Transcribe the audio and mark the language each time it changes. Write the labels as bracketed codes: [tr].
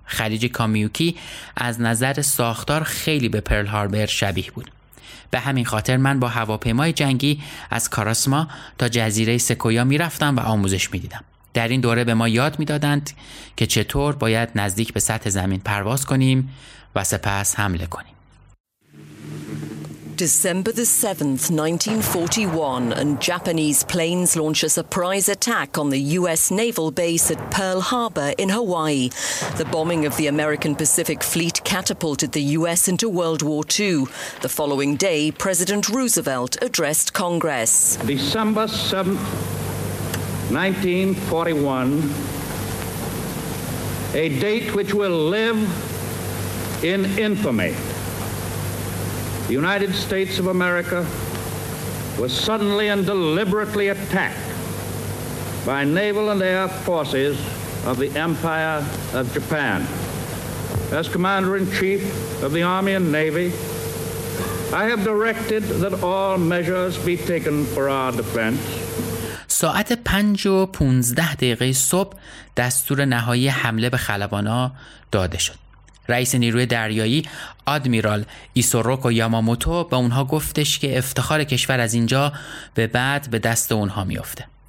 [fa] خلیج کامیوکی از نظر ساختار خیلی به پرل هاربر شبیه بود. به همین خاطر من با هواپیمای جنگی از کاراسما تا جزیره سکویا میرفتم و آموزش میدیدم. در این دوره به ما یاد میدادند که چطور باید نزدیک به سطح زمین پرواز کنیم و سپس حمله کنیم. [en] December the 7th, 1941, and Japanese planes launch a surprise attack on the U.S. naval base at Pearl Harbor in Hawaii. The bombing of the American Pacific Fleet catapulted the U.S. into World War II. The following day, President Roosevelt addressed Congress. December 7th, 1941, a date which will live in infamy. The United States of America was suddenly and deliberately attacked by naval and air forces of the Empire of Japan. As Commander-in-Chief of the Army and Navy, I have directed that all measures be taken for our defense. [fa] ساعت 5:15 صبح دستور نهایی حمله به خلبان‌ها داده شد. رئیس نیروی دریایی آدمیرال ایسوروکو یاماموتو به اونها گفتش که افتخار کشور از اینجا به بعد به دست اونها میفته.